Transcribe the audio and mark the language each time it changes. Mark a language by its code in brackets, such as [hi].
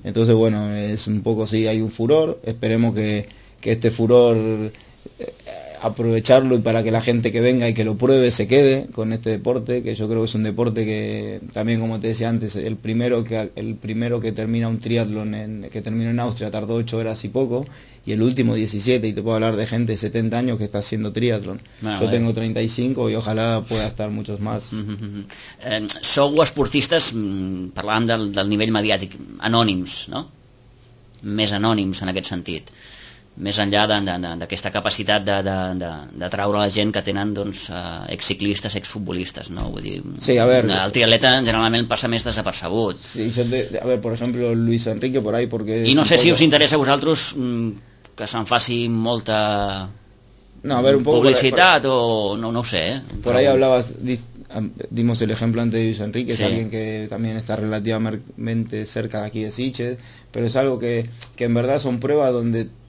[es] Entonces, bueno, es un poco, sí, hay un furor, esperemos que este furor aprovecharlo, y para que la gente que venga y que lo pruebe se quede con este deporte, que yo creo que es un deporte que también, como te decía antes, el primero que termina un triatlón que terminó en Austria tardó 8 horas y poco, y el último 17, y te puedo hablar de gente de 70 años que está haciendo triatlón. Bueno, yo tengo 35 y ojalá pueda estar muchos más. [ca] Sou esportistes, parlant del nivell mediàtic, anònims, no? Més anònims en aquest sentit. Més enllà d'aquesta capacitat de traure la gent que tenen, doncs, exciclistes, exfutbolistes, no? Vull dir, [es] sí, a ver, [ca] el triatleta generalment passa més desapercebut. [es] Sí, a ver, por ejemplo, Luis Enrique por ahí porque... [ca] I no sé si us interessa a vosaltres que se'n faci molta publicitat o no ho sé. [es] Por ahí hablabas, dimos el ejemplo antes de Luis Enrique, sí. Es alguien que también está relativamente cerca de aquí de Sitges, pero es algo que en verdad son pruebas donde...